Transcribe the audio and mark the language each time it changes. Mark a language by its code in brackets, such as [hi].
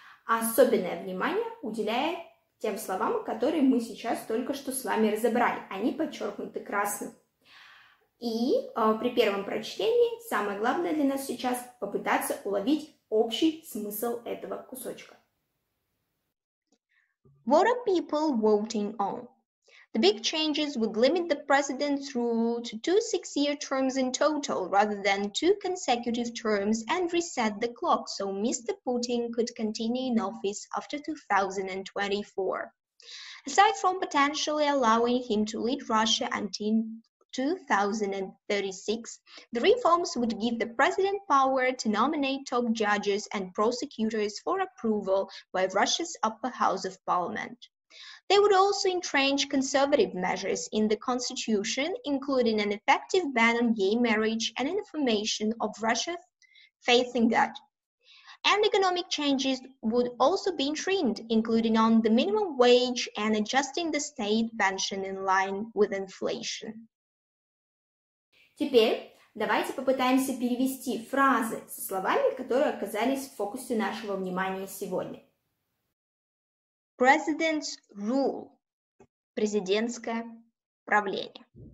[ru] Особенное внимание уделяя тем словам, которые мы сейчас только что с вами разобрали. Они подчеркнуты красным. И при первом прочтении самое главное для нас сейчас попытаться уловить общий смысл этого кусочка. [en] What are people voting on? The big changes would limit the president's rule to 2 6-year terms in total rather than 2 consecutive terms and reset the clock so Mr. Putin could continue in office after 2024. Aside from potentially allowing him to lead Russia until 2036, the reforms would give the president power to nominate top judges and prosecutors for approval by Russia's upper house of parliament. They would also entrench conservative measures in the constitution, including an effective ban on gay marriage and information of Russia's faith in God. And economic changes would also be enshrined, including on the minimum wage and adjusting the state pension in line with inflation. [ru] Теперь давайте попытаемся перевести фразы со словами, которые оказались в фокусе нашего внимания сегодня. [en] President's rule [ru] – президентское правление.